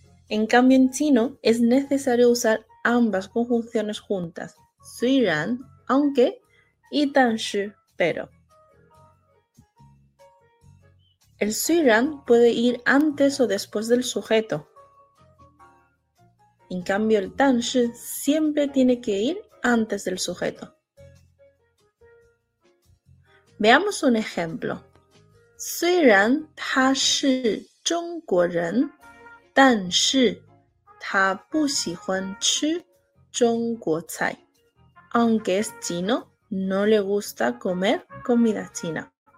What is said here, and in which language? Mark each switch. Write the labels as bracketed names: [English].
[Spanish] En cambio, en chino es necesario usar ambas conjunciones juntas, 虽然, aunque, y 但是, pero. El 虽然 puede ir antes o después del sujeto. En cambio, el 但是 siempre tiene que ir antes del sujeto. Veamos un ejemplo. [Chinese] 虽然他是中国人, 但是他不喜欢吃中国菜. [Spanish] Aunque es chino, no le gusta comer comida china.